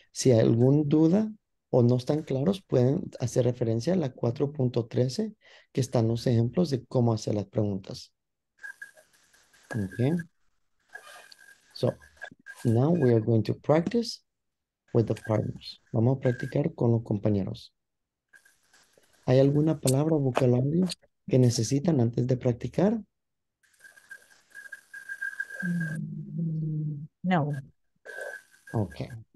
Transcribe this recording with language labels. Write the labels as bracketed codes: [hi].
[es] Si hay alguna duda o no están claros, pueden hacer referencia a la 4.13, que están los ejemplos de cómo hacer las preguntas. [en] Okay. So, now we are going to practice with the partners. [es] Vamos a practicar con los compañeros. ¿Hay alguna palabra o vocabulario que necesitan antes de practicar? No. Okay.